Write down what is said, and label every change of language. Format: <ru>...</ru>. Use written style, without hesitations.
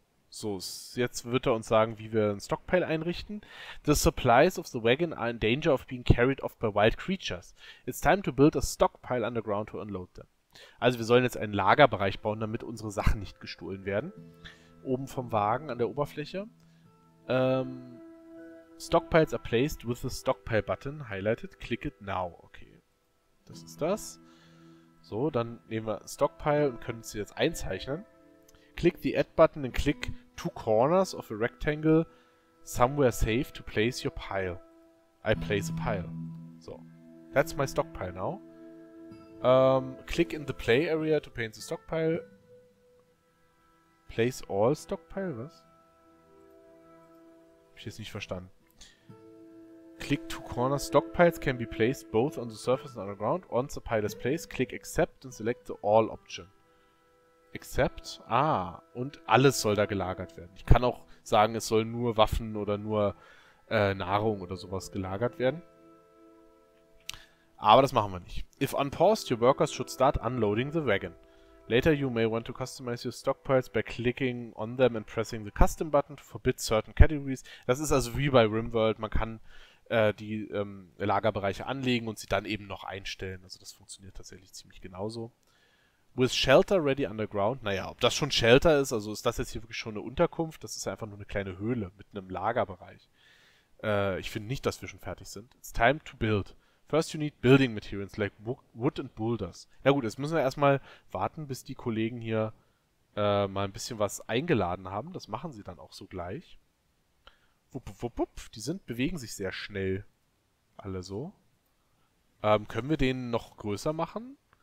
<de>So, jetzt wird er uns sagen, wie wir einen Stockpile einrichten.</de> <en>The supplies of the wagon are in danger of being carried off by wild creatures. It's time to build a stockpile underground to unload them.</en> <de>Also wir sollen jetzt einen Lagerbereich bauen, damit unsere Sachen nicht gestohlen werden. Oben vom Wagen an der Oberfläche.</de> <en>Stockpiles are placed with the stockpile button highlighted. Click it now.</en> <de>Okay, das ist das. So, dann nehmen wir Stockpile und können sie jetzt einzeichnen.</de> <en>Click the Add Button and click two corners of a rectangle somewhere safe to place your pile. I place a pile. So, that's my stockpile now. Click in the play area to paint the stockpile. Place all stockpile,</en> <de>was? Hab ich jetzt nicht verstanden.</de> <en>Click two corners. Stockpiles can be placed both on the surface and on the ground. Once the pile is placed, click accept and select the all option.</en> <de>Except, und alles soll da gelagert werden. Ich kann auch sagen, es sollen nur Waffen oder nur Nahrung oder sowas gelagert werden. Aber das machen wir nicht.</de> <en>If unpaused, your workers should start unloading the wagon. Later you may want to customize your stockpiles by clicking on them and pressing the custom button to forbid certain categories.</en> <de>Das ist also wie bei RimWorld. Man kann die Lagerbereiche anlegen und sie dann eben noch einstellen. Also das funktioniert tatsächlich ziemlich genauso.</de> <en>With shelter ready underground.</en> <de>Naja, ob das schon Shelter ist, also ist das jetzt hier wirklich schon eine Unterkunft? Das ist ja einfach nur eine kleine Höhle mit einem Lagerbereich. Ich finde nicht, dass wir schon fertig sind.</de> <en>It's time to build. First you need building materials like wood and boulders.</en> <de>Na gut, jetzt müssen wir erstmal warten, bis die Kollegen hier mal ein bisschen was eingeladen haben. Das machen sie dann auch so gleich. Wupp, wupp, wupp. Die sind, bewegen sich sehr schnell. Alle so. Können wir den noch größer machen?</de>